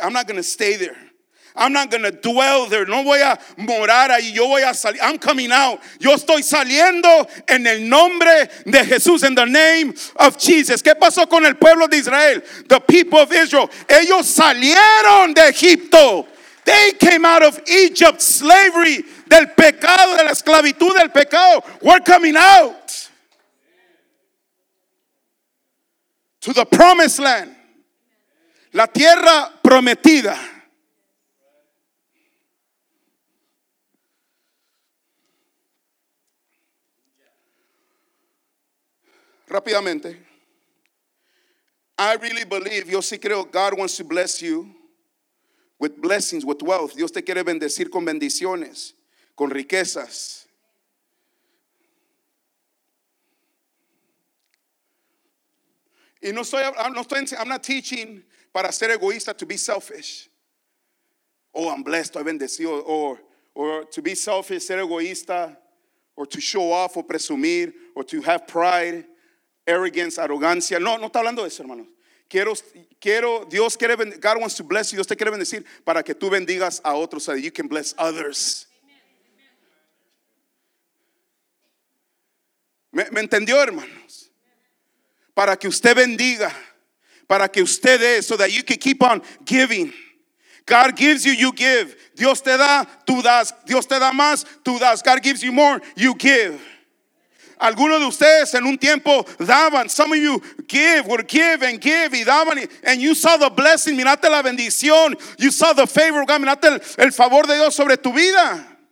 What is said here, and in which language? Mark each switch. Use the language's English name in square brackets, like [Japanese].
[English] I'm not going to stay there. I'm not going to dwell there. [Spanish] No voy a morar ahí. Yo voy a salir. [English] I'm coming out. [Spanish] Yo estoy saliendo en el nombre de Jesús. [English] In the name of Jesus. [Spanish] ¿Qué pasó con el pueblo de Israel? [English] The people of Israel. [Spanish] Ellos salieron de Egipto. [English] They came out of Egypt. Slavery. [Spanish] Del pecado. De la esclavitud. Del pecado. [English] We're coming out. To the promised land. [Spanish] La tierra prometida. Rápidamente, [English] I really believe, [Spanish] yo sí creo, [English] God wants to bless you with blessings, with wealth. [Spanish] Dios te quiere bendecir con bendiciones, con riquezas. Y no estoy, [English] I'm not teaching [Spanish] para ser egoísta, [English] to be selfish. Oh, I'm blessed, [Spanish] estoy bendecido, [English] or to be selfish, [Spanish] ser egoísta, [English] or to show off, [Spanish] o presumir, [English] or to have pride. Arrogance, arrogancia. [Spanish] No, no está hablando de eso, hermano. Quiero, Dios quiere, [English] God wants to bless you. [Spanish] Dios te quiere bendecir para que tú bendigas a otros. [English] So that you can bless others. [Spanish] ¿Me entendió, hermanos? Para que usted bendiga. Para que usted dé. [English] So that you can keep on giving. God gives you, you give. [Spanish] Dios te da, tú das. Dios te da más, tú das. [English] God gives you more, you give. [Spanish] Algunos de ustedes en un tiempo daban. [English] Some of you give, would give and give [Spanish] y daban. [English] And you saw the blessing. [Spanish] Mirate la bendición. [English] You saw the favor of God. [Spanish] Mirate el favor de Dios sobre tu vida.